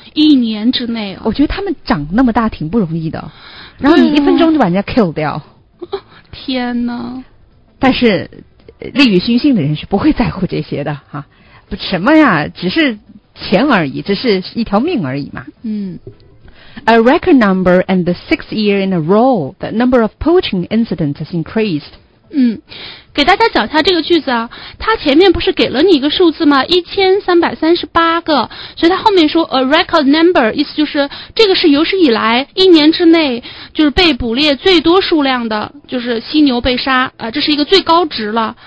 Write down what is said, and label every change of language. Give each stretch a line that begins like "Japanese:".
Chinese: 一年之内、啊、我觉得他们长那么大挺不容易的然后你一分钟就把人家
English: kill
Chinese: 掉天哪但是利欲熏心的人是不会在乎这些的、啊、不什么呀只是钱而已只是一条命而已嘛嗯
English: A record number and the sixth year in a row the number of poaching incidents has increased 嗯
Chinese: 给大家讲一下这个句子啊，它前面不是给了你一个数字吗？ 1338个，所以它后面说
English: a record number，
Chinese: 意思就是这个是有史以来一年之内就是被捕猎最多数量的，就是犀牛被杀啊、这是一个最高值了。